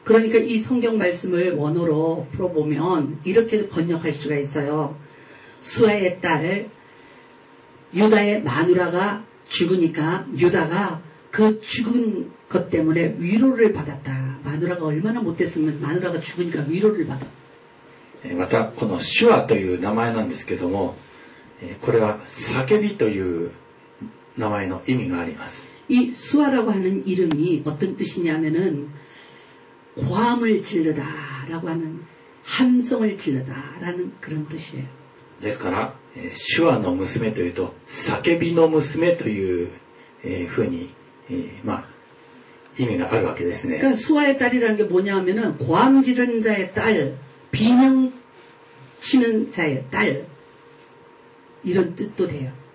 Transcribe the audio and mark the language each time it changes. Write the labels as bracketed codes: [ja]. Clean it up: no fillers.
[ko] 그러니까이성경말씀을원어로풀어보면이렇게번역할수가있어요수아의딸유다의마누라가죽으니까유다가그죽은것때문에위로를받았다마누라가얼마나못됐으면마누라가죽으니까위로를받아 [ja] またこのシュアという名前なんですけどもこれは叫びという名前の意味があります [ko] 이수아라고하는이름이어떤뜻이냐면은고함을질르다라고하는함성을질르다라는그런뜻이에요 [ja] ですから、シュアの娘というと、叫びの娘という、風に、まあ、意味があるわけですね。 [ko] 수아의딸이라는게뭐냐하면은、고함지른자의딸、비명치는자의딸、이런뜻도돼요。